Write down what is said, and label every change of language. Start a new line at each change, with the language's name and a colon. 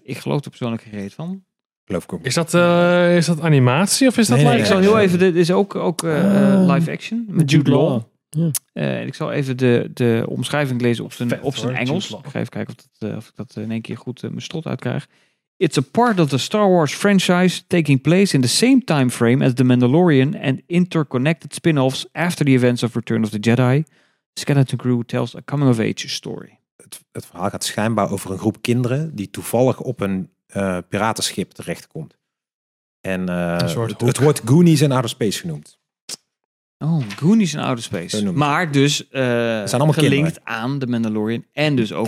Dutch: Ik geloof er persoonlijk geen reet van. Geloof ik ook. Is dat animatie of is dat live? Ik zal heel even, dit is ook live action met Jude Law. Ja. Ik zal even de omschrijving lezen op zijn, Engels. Ik ga even kijken of ik dat in één keer goed mijn strot uitkrijg.
English: It's a part of the Star Wars franchise taking place in the same time frame as The Mandalorian and interconnected spin-offs after the events of Return of the Jedi. Skeleton Crew tells a coming-of-age story.
Dutch: Het verhaal gaat schijnbaar over een groep kinderen die toevallig op een piratenschip terechtkomt. En het wordt Goonies in outer space genoemd. Oh, Goonies in Outer Space. Maar dus zijn gelinkt kinderen. Aan The Mandalorian en dus ook